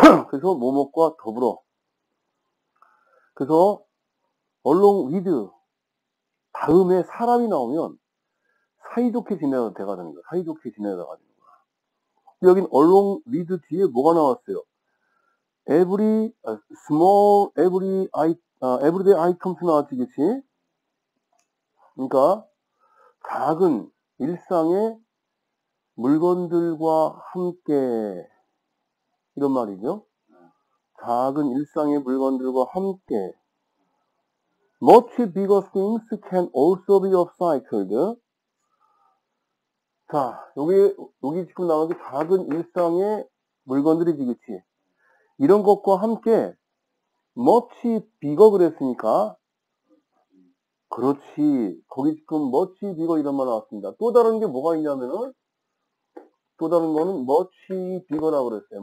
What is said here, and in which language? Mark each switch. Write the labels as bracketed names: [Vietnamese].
[Korean] 그래서 뭐뭐과 더불어. 그래서 얼롱 위드 다음에 사람이 나오면 사이좋게 지내가 되는 거야. 사이좋게 지내다가 되는 거야. 여긴 [English] along with [Korean] 뒤에 뭐가 나왔어요? [English] small, everyday items [Korean] 나왔지, 그치? 그러니까, 작은 일상의 물건들과 함께, 이런 말이죠. 작은 일상의 물건들과 함께, [English] much bigger things can also be upcycled. [Korean] 자, 여기 지금 나온 게 작은 일상의 물건들이지, 그치? 이런 것과 함께, [English] much bigger [Korean] 그랬으니까, 그렇지. 거기 지금 much bigger 이런 말 나왔습니다. 또 다른 게 뭐가 있냐면은, 또 다른 거는 much bigger라고 그랬어요.